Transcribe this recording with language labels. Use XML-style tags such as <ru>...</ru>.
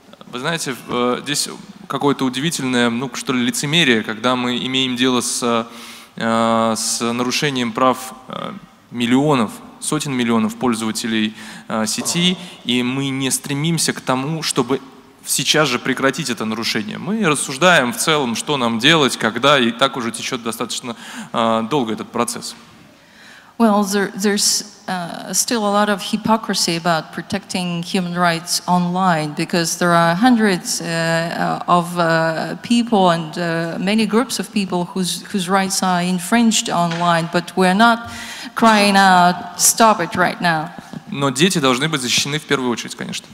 <ru>Вы знаете, здесь какое-то удивительное, ну, что ли, лицемерие, когда мы имеем дело с нарушением прав миллионов, сотен миллионов пользователей сети, и мы не стремимся к тому, чтобы сейчас же прекратить это нарушение. Мы рассуждаем в целом, что нам делать, когда, и так уже течет достаточно долго этот процесс.</ru> <en>Well, there's still a lot of hypocrisy about protecting human rights online, because there are hundreds of people and many groups of people whose rights are infringed online, but we're not crying out, stop it right now.</en> <ru>Но дети должны быть защищены в первую очередь, конечно.</ru>